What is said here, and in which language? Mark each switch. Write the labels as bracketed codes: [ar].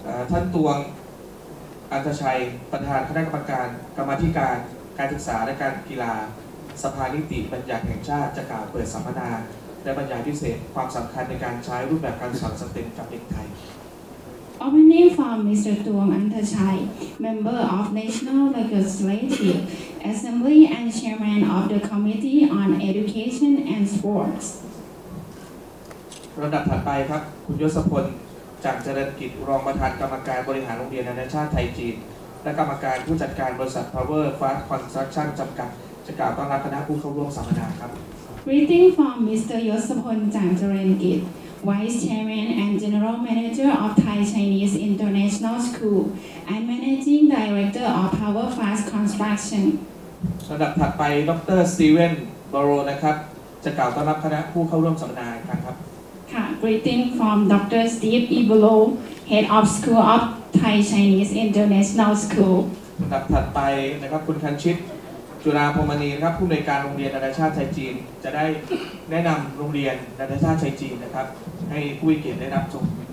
[th] ท่านตวงอันธชัยประธานคณะกรรมการกรรมาธิการการศึกษาและการกีฬาสภานิติบัญญัติแห่งชาติจะกล่าวเปิดสัมมนาและบรรยายพิเศษความสำคัญในการใช้รูปแบบการสอนสตรีกับเด็กไทย [en] Opening from Mr. Tuong Anthachai, Member of National Legislative Assembly and Chairman of the Committee on Education and Sports [th] ระดับถัดไปครับคุณยศพลจากเจริญกิจรองประธานกรรมการบริหารโรงเรียนนานาชาติไทยจีนและกรรมการผู้จัดการบริษัท Power Fast Construction จำกัดจะกล่าวต้อนรับคณะผู้เข้าร่วมสัมมนาครับ [en] Greeting from Mr. Yosapon Jang Jarengit, Vice Chairman and General Manager of Thai Chinese International School and Managing Director of Power Fast Construction. [th] ลำดับถัดไปดร. Steven Barrow นะครับจะกล่าวต้อนรับคณะผู้เข้าร่วมสัมมนาครับ [en] ค่ะ Greeting from Dr. Steve Ibolo, Head of School of Thai Chinese International School. [th] ลำดับถัดไปนะครับคุณคันชิตจุฬาภรมณีครับผู้อำนวยการโรงเรียนนานาชาติไทยจีนจะได้แนะนำโรงเรียนนานาชาติไทยจีนนะครับให้ผู้มีเกียรติได้รับชม